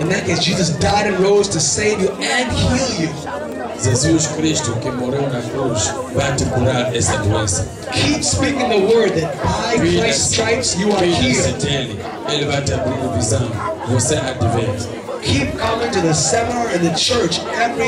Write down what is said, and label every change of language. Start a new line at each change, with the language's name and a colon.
English: In that case, Jesus died and rose to save you and heal you.
Portuguese: Jesus Cristo que morreu na cruz vai te curar essa doença.
English: Keep speaking the word that by Christ's stripes you are healed.
Portuguese: Ele vai te abrir o visão. Você há de ver.
English: keep coming to the seminar in the church every